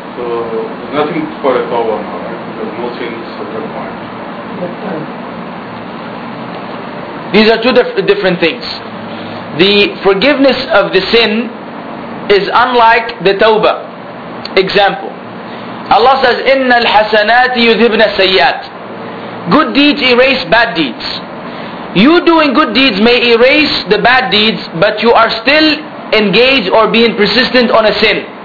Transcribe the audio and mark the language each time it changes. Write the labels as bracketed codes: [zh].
[en] So there's nothing for a tawbah now, right? There's no sins at that point. These are two different things. The forgiveness of the sin is unlike the tawbah. Example. [ar] Allah says, إِنَّ الْحَسَنَاتِ يُذْهِبْنَ السَّيِّئَاتِ. [en] Good deeds erase bad deeds. You doing good deeds may erase the bad deeds, but you are still engaged or being persistent on a sin.